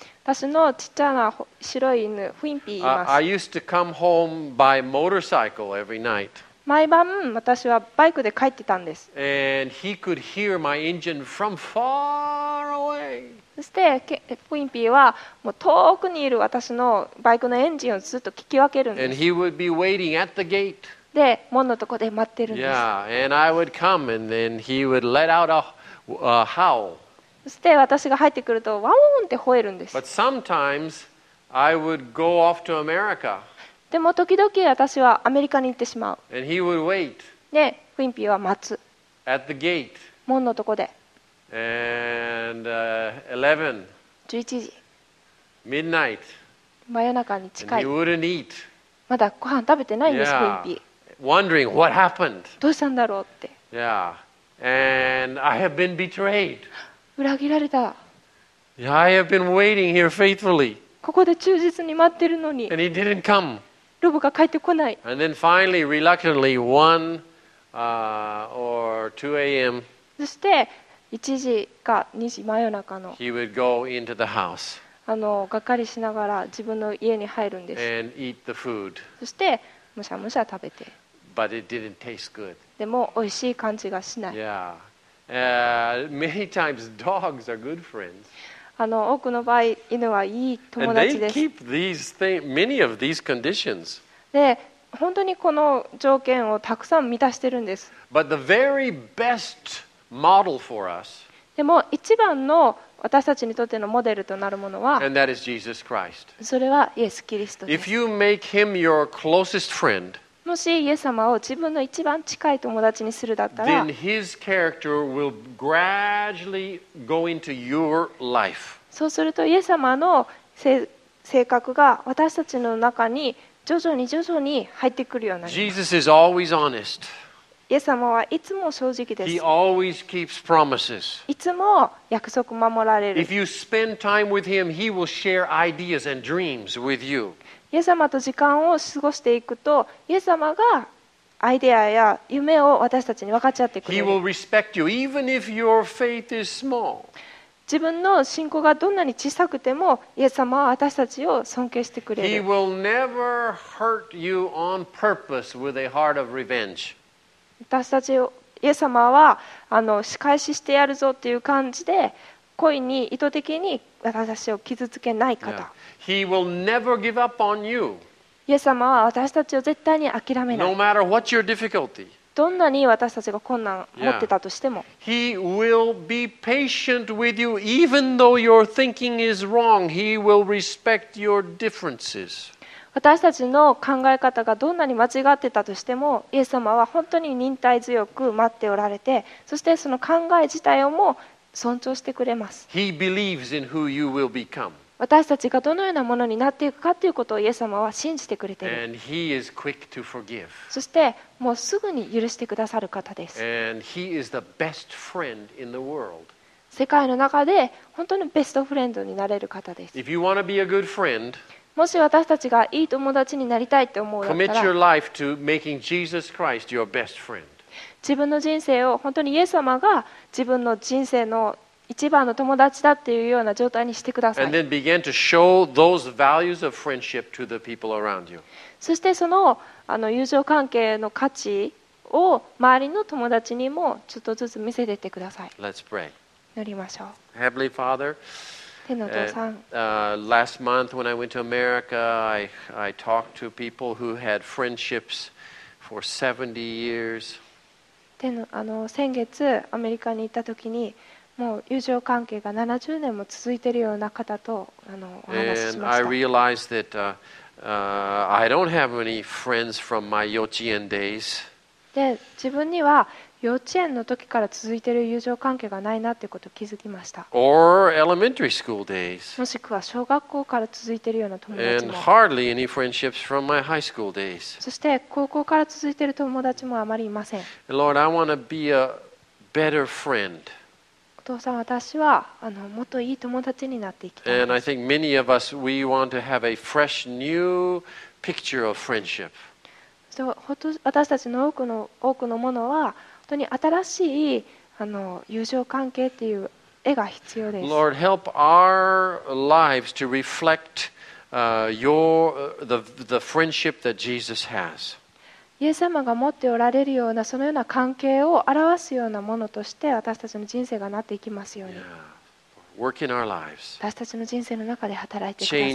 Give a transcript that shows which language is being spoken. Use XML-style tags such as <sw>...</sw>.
<ja>私のちっちゃな白い犬 Wimpy います。</ja> <en>I used to come home by motorcycle every night.</en> <ja>毎晩私はバイクで帰ってたんです。</ja> <en>And he could hear my engine from far away.</en> <ja>そしてウィンピーはもう遠くにいる私のバイクのエンジンをずっと聞き分けるんです。</ja> <en>And he would be waiting at the gate.</en> <ja>で、門のとこで待ってるんです。</ja> <en>Yeah, and I would come, and then he would let out a howl.</en> <ja>そして私が入ってくるとワンって吠えるんです。</ja> <en>But sometimes I would go off to America.</en> <ja>でも時々私はアメリカに行ってしまう。</ja> <en>And he would wait.</en> <ja>で、ウィンピーは待つ。</ja> <en>At the gate.</en> <ja>門のとこで。</ja> <en>And 11.</en> <ja>11時。</ja> <en>Midnight.</en> <ja>真夜中に近い。</ja> <en>And you wouldn't eat.</en> <ja>まだご飯食べてないんです、クインピー。</ja> <en>Wondering what happened.</en> <ja>どうしたんだろうって。</ja> <en>Yeah. And I have been betrayed.</en> <ja>裏切られた。</ja> <en>Yeah, I have been waiting here faithfully.</en> <ja>ここで忠実に待ってるのに。</ja> <en>And he didn't come.</en> <ja>ロボが帰ってこない。</ja> <en>And then finally, reluctantly, 1, or 2 a.m.</en> <ja>そして、1時か2時真夜中の、</ja> <en>He would go into the house.</en> <ja>がっかりしながら自分の家に入るんです。</ja> <en>And eat the food.</en> <ja>そしてむしゃむしゃ食べて。</ja> <en>But it didn't taste good.</en> <ja>でも美味しい感じがしない。</ja> <en>Yeah. Many times dogs are good friends.</en> <ja>多くの場合、犬はいい友達です。</ja> <en>They keep these many of these conditions.</en> <ja>で、本当にこの条件をたくさん満たしてるんです。</ja> <en>But the very best model for us,</en> <ja>でも一番の私たちにとってのモデルとなるものは、</ja> <en>and that is Jesus Christ.</en> <ja>それはイエス・キリストです。</ja> <en>If you make him your closest friend,</en> <ja>もしイエス様を自分の一番近い友達にするだったら、</ja> <en>then his character will gradually go into your life.</en> <ja>そうするとイエス様の性格が私たちの中に徐々に徐々に入ってくるようになります。</ja> <en>Jesus is always honest.</en> <ja>イエス様はいつも正直です。</ja> <en>He always keeps promises.</en> <ja>いつも約束守られる。</ja> <en>If you spend time with him, he will share ideas and dreams with you.</en> <ja>イエス様と時間を過ごしていくと、イエス様がアイデアや夢を私たちに分かち合ってくれる。</ja> <en>He will respect you, even if your faith is small.</en> <ja>自分の信仰がどんなに小さくても、イエス様は私たちを尊敬してくれる。</ja> <en>He will never hurt you on purpose with a heart of revenge.</en> <ja>私たちを、イエス様は仕返ししてやるぞという感じで、故意に意図的に私を傷つけない方。</ja> <en>Yeah. He will never give up on you.</en> <ja>イエス様は私たちを絶対に諦めない。</ja> <en>No matter what your difficulty.</en> <ja>どんなに私たちが困難を持ってたとしても。</ja> <en>Yeah. He will be patient with you even though your thinking is wrong. He will respect your differences.</en> <ja>私たちの考え方がどんなに間違ってたとしても、イエス様は本当に忍耐強く待っておられて、そしてその考え自体をも尊重してくれます。</ja> <en>He believes in who you will become.</en> <ja>私たちがどのようなものになっていくかということをイエス様は信じてくれている。</ja> <en>And he is quick to forgive.</en> <ja>そしてもうすぐに許してくださる方です。</ja> <en>And he is the best friend in the world.</en> <ja>世界の中で本当にベストフレンドになれる方です。</ja> <en>If you want to be a good friend,</en> <ja>もし私たちがいい友達になりたいと思うだったら、</ja> <en>commit your life to making Jesus Christ your best friend.</en> <ja>自分の人生を本当にイエス様が自分の人生の一番の友達だっていうような状態にしてください。</ja> <en>And then begin to show those values of friendship to the people around you.</en> <ja>そしてその友情関係の価値を周りの友達にもちょっとずつ見せていってください。</ja> <en>Let's pray.</en> <ja>祈りましょう。</ja> <en>Heavenly Father,</en> <ja>天の父さん。</ja> <en>Last month when I went to America, I talked to people who had friendships for 70 years.</en> <ja>先月アメリカに行った時にもう友情関係が70年も続いているような方とお話ししました。</ja> <en>And I realized that, I don't have any friends from my 幼稚園 days.</en> <ja>で、自分には幼稚園の時から続いている友情関係がないなということを気づきました。</ja> <en>Or elementary school days.</en> <ja>もしくは小学校から続いているような友達も。</ja> <en>And hardly any friendships from my high school days.</en> <ja>そして高校から続いている友達もあまりいません。</ja> <en>Lord, I want to be a better friend.</en> <ja>お父さん、私はもっといい友達になっていきたい。</ja> <en>And I think many of us, we want to have a fresh new picture of friendship.</en> <ja>私たちの多くのものは本当に新しい友情関係っていう絵が必要です。</ja> <en>Lord, help our lives to reflect the friendship that Jesus has.</en> <ja>イエス様が持っておられるようなそのような関係を表すようなものとして私たちの人生がなっていきますように。</ja> <en>Work in our lives.</en> <ja>私たちの人生の中で働いてください。</ja>